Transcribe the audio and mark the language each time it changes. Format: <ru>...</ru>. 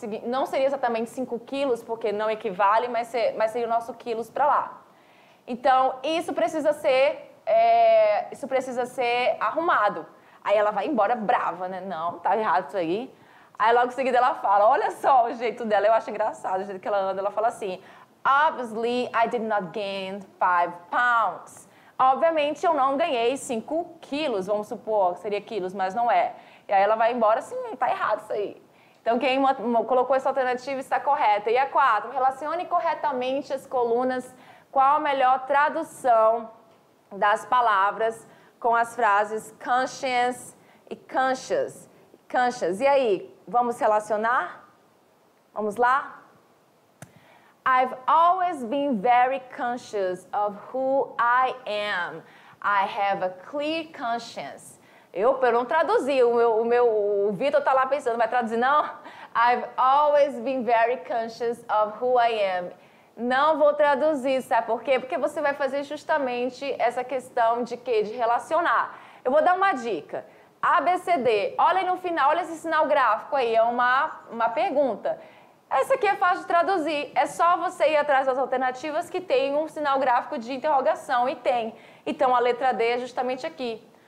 <pt>Não seria exatamente 5 quilos, porque não equivale, mas seria o nosso quilos para lá. Então, isso precisa ser... isso precisa ser arrumado. Aí ela vai embora brava, né? Não, tá errado isso aí. Aí logo em seguida ela fala, olha só o jeito dela, eu acho engraçado o jeito que ela anda. Ela fala assim,</pt> <en>obviously I did not gain 5 pounds.</en> <pt>Obviamente eu não ganhei 5 quilos, vamos supor que seria quilos, mas não é. E aí ela vai embora assim, tá errado isso aí. Então quem colocou essa alternativa está correta. E a 4, relacione corretamente as colunas, qual a melhor tradução das palavras com as frases conscience e conscious. Conscious. E aí, vamos relacionar? Vamos lá?</pt> <en>I've always been very conscious of who I am. I have a clear conscience.</en> <pt>Eu não traduzi, o Vitor tá lá pensando, vai traduzir não?</pt> <en>I've always been very conscious of who I am.</en> <pt>Não vou traduzir, sabe por quê? Porque você vai fazer justamente essa questão de quê? De relacionar. Eu vou dar uma dica. A, B, C, D. Olha aí no final, olha esse sinal gráfico aí. É uma pergunta. Essa aqui é fácil de traduzir. É só você ir atrás das alternativas que tem um sinal gráfico de interrogação. E tem. Então, a letra D é justamente aqui.</pt>